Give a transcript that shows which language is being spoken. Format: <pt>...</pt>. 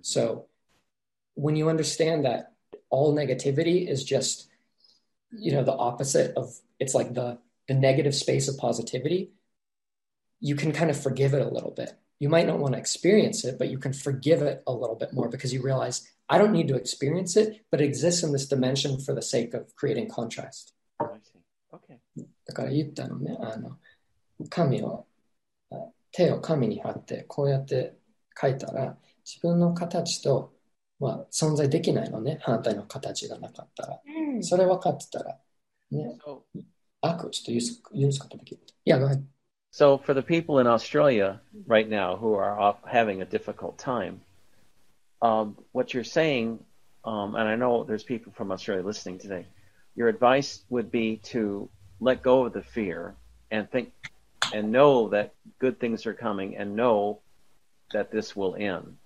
<en>So, when you understand that all negativity is just, you know, the opposite of, it's like the negative space of positivity, you can kind of forgive it a little bit. You might not want to experience it, but you can forgive it a little bit more because you realize I don't need to experience it, but it exists in this dimension for the sake of creating contrast. Okay.</en> <ja>だから言ったのね、あの、紙を、手を紙に貼ってこうやって書いたら、自分の形とは存在できないのね、反対の形がなかったら。それ分かってたら、ね、悪をちょっと許すことできる。いや、ごめん。</ja> <en>So for the people in Australia right now who are off having a difficult time, what you're saying, and I know there's people from Australia listening today, your advice would be to let go of the fear and think and know that good things are coming and know that this will end.</en>